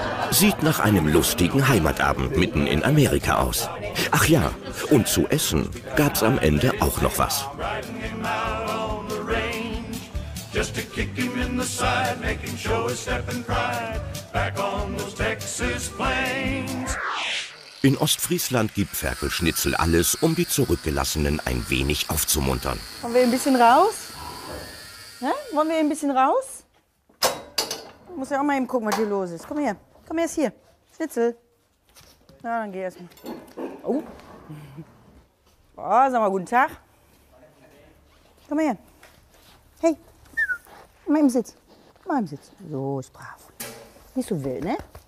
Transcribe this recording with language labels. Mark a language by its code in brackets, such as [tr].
[de] Sieht nach einem lustigen Heimatabend mitten in Amerika aus. Ach ja, und zu essen gab's am Ende auch noch was. [en] Just to kick him in the side, make him show his step and pride, back on those Texas plains. [de] In Ostfriesland gibt Ferkelschnitzel alles, um die Zurückgelassenen ein wenig aufzumuntern. Wollen wir ein bisschen raus? Ja? Wollen wir ein bisschen raus? Ich muss ja auch mal eben gucken, was hier los ist. Komm erst hier. Schnitzel. Na, dann geh erst mal. Oh. Oh, sag mal guten Tag. Komm her. Hey. Mal im Sitz. Mal im Sitz. So, ist brav. Nicht so wild, ne?